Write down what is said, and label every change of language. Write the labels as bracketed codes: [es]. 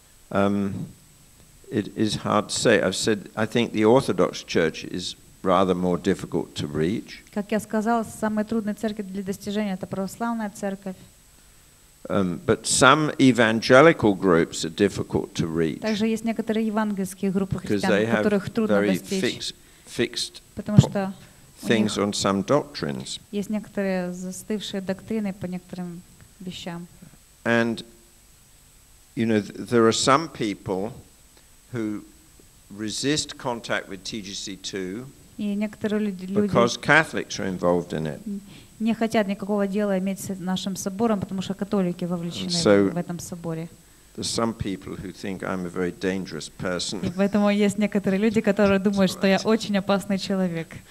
[en] It is hard to say. I've said, I think the Orthodox Church is rather more difficult to reach. [ru] Как я сказал, самая трудная церковь для достижения — это православная церковь. [en] But some evangelical groups are difficult to reach. [ru] Также есть некоторые евангельские группы христиан, которых трудно достичь. Потому что [en] things on some doctrines. [ru] Есть некоторые застывшие доктрины по некоторым вещам. [en] And you know there are some people who resist contact with TGC2. [ru] И некоторые люди [en] because Catholics are involved in it. [ru] Не хотят никакого дела иметь с нашим собором, потому что католики вовлечены [en] so, [ru] в этом соборе. [en] There's some people who think I'm a very dangerous person. [ru] И поэтому есть некоторые люди, которые думают, что я очень опасный человек.